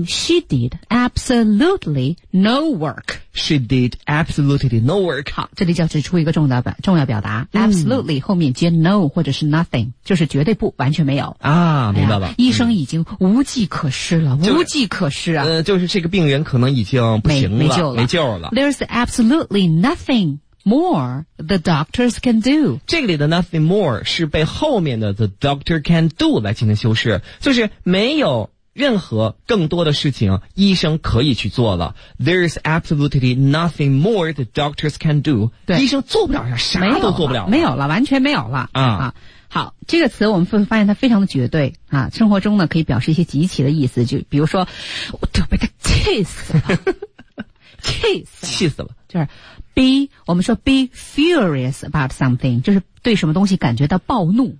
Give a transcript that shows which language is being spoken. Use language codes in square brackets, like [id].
[en] She did absolutely no work. She did absolutely no work. [zh] 好，这里就要指出一个重要表达。 Absolutely 后面接 no 或者是 nothing， 就是绝对不，完全没有啊。明白了、医生已经无计可施了，无计可施啊。就是这个病人可能已经不行了，没救了。 [en] There's absolutely nothing more the doctors can do. [zh] 这里的 [en] nothing more [zh] 是被后面的 [en] the doctor can do [zh] 来进行修饰，就是没有任何更多的事情医生可以去做了。 [en] There is absolutely nothing more the doctors can do. [zh] 对，医生做不了啥，啥都做不了，没有了，完全没有了。好，这个词我们会发现它非常的绝对啊。生活中呢，可以表示一些极其的意思，就比如说，我都被他气死了，气死了，就是。我们说 [en] be furious about something， [zh] 就是对什么东西感觉到暴怒。